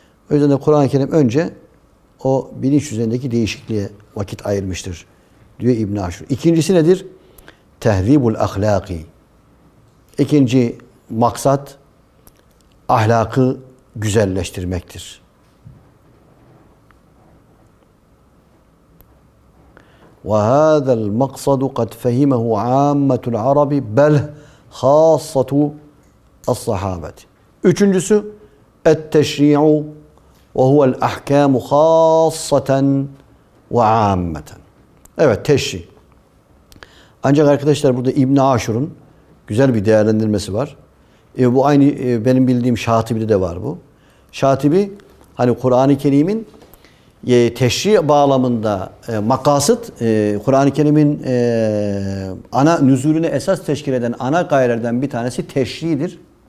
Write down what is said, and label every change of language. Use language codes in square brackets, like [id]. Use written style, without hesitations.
[tr] O yüzden de Kur'an-ı Kerim önce o bilinç düzeyindeki değişikliğe vakit ayırmıştır diyor İbn-i Aşur. İkincisi nedir? Tehribul ahlaki. İkinci maksat ahlakı güzelleştirmektir. [ar] وهذا المقصد قد فهمه عامة العرب بل خاصة الصحابة. [tr] Üçüncüsü [ar] التشريع وهو الأحكام خاصة وعامة. [tr] Evet, teşri. Ancak arkadaşlar burada İbn Aşur'un güzel bir değerlendirmesi var. Bu aynı benim bildiğim Şatibi'de de var bu. Şatibi hani Kur'an-ı Kerim'in teşri bağlamında makasıt, Kur'an-ı Kerim'in ana nüzulüne esas teşkil eden ana gayelerden bir tanesi teşridir.